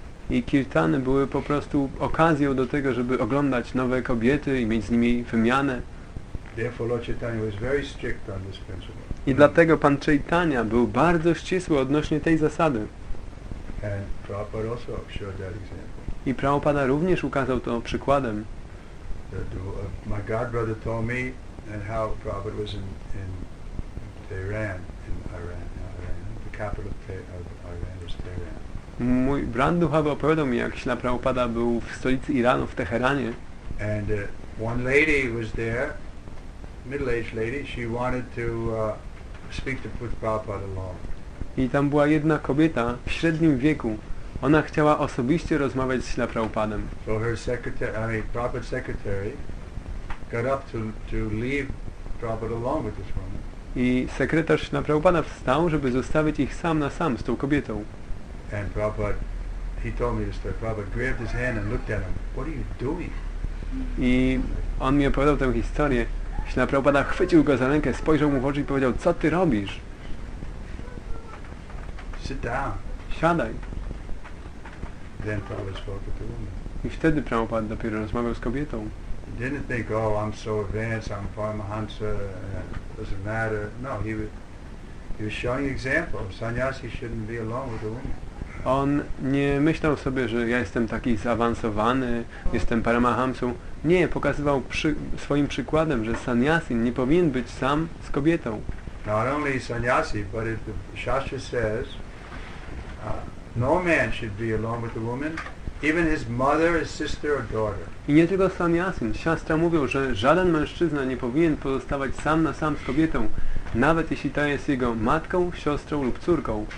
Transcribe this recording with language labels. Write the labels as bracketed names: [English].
[Polish] I kirtany były po prostu okazją do tego, żeby oglądać nowe kobiety i mieć z nimi wymianę. [English] Therefore Lord Chaitanya was very strict on this principle. [Polish] I dlatego Pan Chaitanya był bardzo ścisły odnośnie tej zasady. [English] And Prabhupada also showed that example. [Polish] I Prabhupada również ukazał to przykładem. [English] My god brother told me and how Prabhupada was in Tehran, in Iran, the capital of Iran is Tehran. [Polish] Mój brat duchowy opowiadał mi, jak Śla Prabhupada był w stolicy Iranu, w Teheranie. [English] And one lady was there, middle-aged lady, she wanted to speak to Prabhupada alone. [Polish] I tam była jedna kobieta w średnim wieku. Ona chciała osobiście rozmawiać z Śla Prabhupadem. [English] So her secretary, I mean Prabhupada's secretary, got up to leave Prabhupada alone with this woman. [Polish] I sekretarz Śla Prabhupada wstał, żeby zostawić ich sam na sam z tą kobietą. [English] And Prabhupada, he told me this story. Prabhupada grabbed his hand and looked at him. What are you doing? [Polish] I on mi opowiadał tę historię. Śla Prabhupada chwycił go za rękę, spojrzał mu w oczy i powiedział, co ty robisz? [English] Sit down. [Polish] Siadaj. [English] Then Prabhupada spoke to the woman. [Polish] I wtedy Prabhupada dopiero rozmawiał z kobietą. [English] He didn't think, oh, I'm so advanced, I'm Paramahansa, it doesn't matter. No, he was showing example. Sannyasi shouldn't be alone with a woman. [Polish] On nie myślał sobie, że ja jestem taki zaawansowany, jestem paramahamsą. Nie, pokazywał swoim przykładem, że sannyasin nie powinien być sam z kobietą. [English] Not only sannyasi, but if the Shastra says, no man should be alone with a woman, even his mother, his sister or daughter. [Polish] I nie tylko sannyasin. Siastra mówią, że żaden mężczyzna nie powinien pozostawać sam na sam z kobietą, nawet jeśli ta jest jego matką, siostrą lub córką.